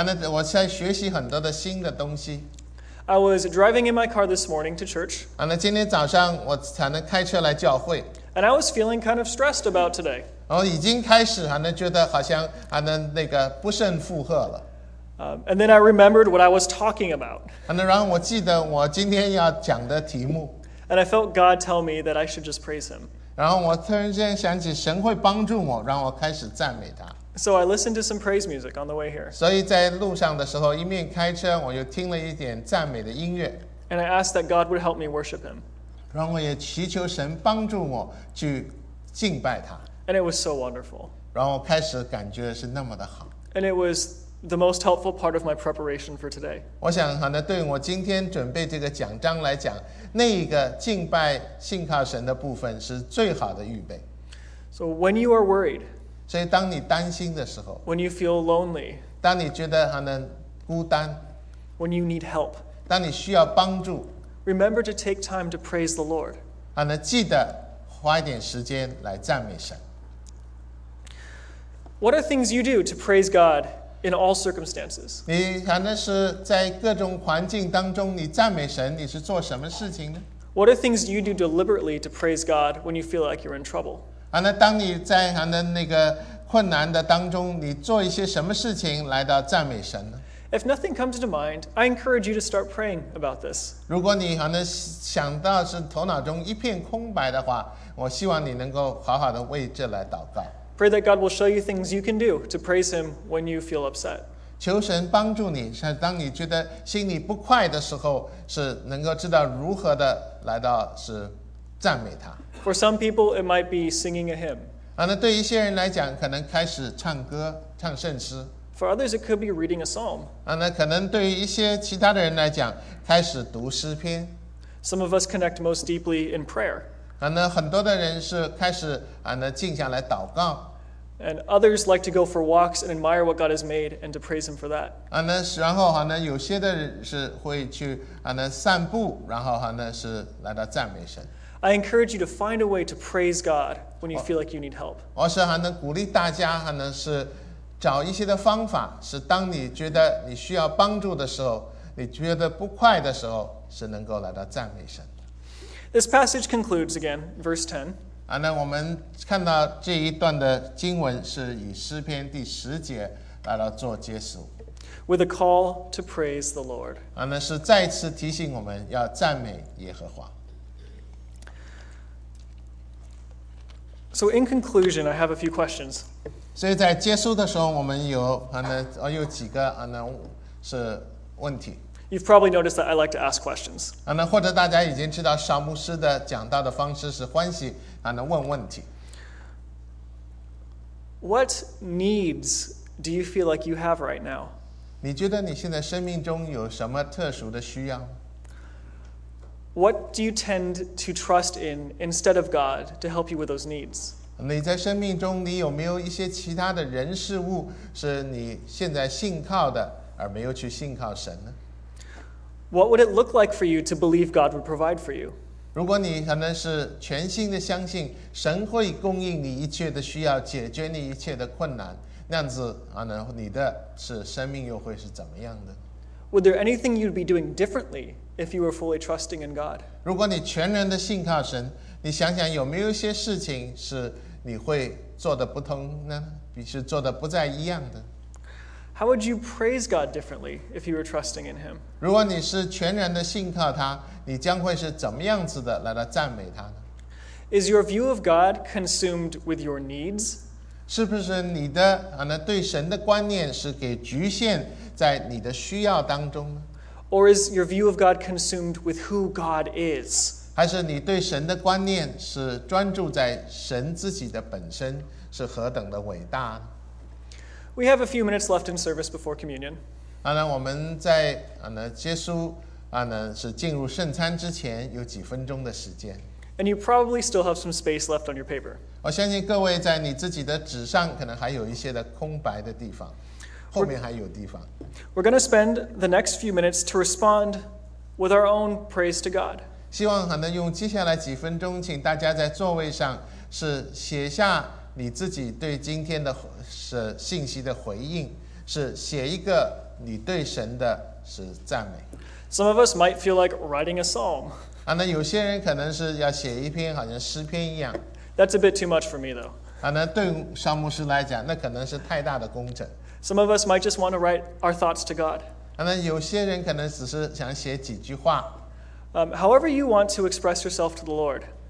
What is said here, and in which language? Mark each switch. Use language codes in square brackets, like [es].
[zh] 我在学习很多的新的东西。 [en] I was driving in my car this morning to church. [zh] 今天早上我才能开车来教会。 [en] And I was feeling kind of stressed about today. [zh] 已经开始觉得好像那个不甚负荷了。 [en] And then I remembered what I was talking about. [zh] 然后我记得我今天要讲的题目。 [en] And I felt God tell me that I should just praise him. [zh] 然后我突然间想起神会帮助我，让我开始赞美他。 [en] So I listened to some praise music on the way here. [zh] 所以在路上的时候，一面开车，我就听了一点赞美的音乐。 [en] And I asked that God would help me worship Him. [zh] 然后我也祈求神帮助我去敬拜他。 [en] And it was so wonderful. [zh] 然后我开始感觉是那么的好。 [en] And it was the most helpful part of my preparation for today. [zh] 我想可能对我今天准备这个讲章来讲，那一个敬拜信靠神的部分是最好的预备。 [en] So when you are worried. [zh] 所以当你担心的时候。 [en] When you feel lonely. [zh] 当你觉得可能孤单。 [en] When you need help. [zh] 当你需要帮助。 [en] Remember to take time to praise the Lord. [zh] 可能记得花一点时间来赞美神。 [en] What are things you do to praise God in all circumstances? [zh] 你可能是在各种环境当中，你赞美神，你是做什么事情呢？ [en] What are things you do deliberately to praise God when you feel like you're in trouble? [zh] 啊，那当你在可能那个困难的当中，你做一些什么事情来到赞美神呢？ [en] If nothing comes to mind, I encourage you to start praying about this. [zh] 如果你可能想到是头脑中一片空白的话，我希望你能够好好的为这来祷告。 [en] Pray that God will show you things you can do to praise Him when you feel upset. [zh] 求神帮助你，当你觉得心里不快的时候，是能够知道如何的来到是赞美他。 [en] For some people, it might be singing a hymn. [zh] 啊，那对一些人来讲，可能开始唱歌，唱圣诗。 [en] For others, it could be reading a psalm. [zh] 啊，那可能对于一些其他的人来讲，开始读诗篇。 [en] Some of us connect most deeply in prayer. [zh] 很多的人是开始静下来祷告。 [en] And others like to go for walks and admire what God has made and to praise Him for that. [zh] 然后有些的人是会去散步，然后是来到赞美神。 [en] I encourage you to find a way to praise God when you feel like you need help. [zh] 我是鼓励大家是找一些的方法，是当你觉得你需要帮助的时候，你觉得不快的时候，是能够来到赞美神。 [en] This passage concludes again, verse 10. [zh] 啊，那我们看到这一段的经文是以诗篇第十节来到做结束。 [en] With a call to praise the Lord. [zh] 啊，那是再次提醒我们要赞美耶和华。 [en] So in conclusion, I have a few questions. [zh] 所以在结束的时候，我们有有几个是问题。 [en] You've probably noticed that I like to ask questions. [zh] 那或者大家已经知道沙牧师的讲道的方式是欢喜问问题。 [en] What needs do you feel like you have right now? [zh] 你觉得你现在生命中有什么特殊的需要？ [en] What do you tend to trust in instead of God to help you with those needs? [zh] 你在生命中你有没有一些其他的人事物是你现在信靠的而没有去信靠神呢？ [en] What would it look like for you to believe God would provide for you? [zh] 如果你可能是全心的相信神会供应你一切的需要，解决你一切的困难，那样子你的是生命又会是怎么样的？ [en] Would there anything you'd be doing differently if you were fully trusting in God? [zh] 如果你全然的信靠神，你想想有没有一些事情是你会做的不同呢？比是做的不再一样的？ [en] How would you praise God differently if you were trusting in Him? [zh] 如果你是全然的信靠他，你将会是怎么样子的来到赞美他呢？ [en] Is your view of God consumed with your needs? [zh] 是不是你的对神的观念是给局限在你的需要当中呢？ [en] Or is your view of God consumed with who God is? [zh] 还是你对神的观念是专注在神自己的本身是何等的伟大呢？ [en] We have a few minutes left in service before communion. [zh] 我们在结束是进入圣餐之前有几分钟的时间。 [en] And you probably still have some space left on your paper. [zh] 我相信各位在你自己的纸上可能还有一些的空白的地方，后面还有地方。 [en] We're going to spend the next few minutes to respond with our own praise to God. [zh] 希望能用接下来几分钟，请大家在座位上是写下。你自己对今天的信息的回应是写一个你对神的是赞美。 [en] Some of us might feel like writing a psalm. [zh] 那有些人可能是要写一篇好像诗篇一样。 [en] That's a bit too much for me though. [zh] 那对沙牧师来讲，那可能是太大的工程。 [en] Some of us might just want to write our thoughts to God. [zh] 那有些人可能只是想写几句话。 [en] However you want to express yourself to the Lord.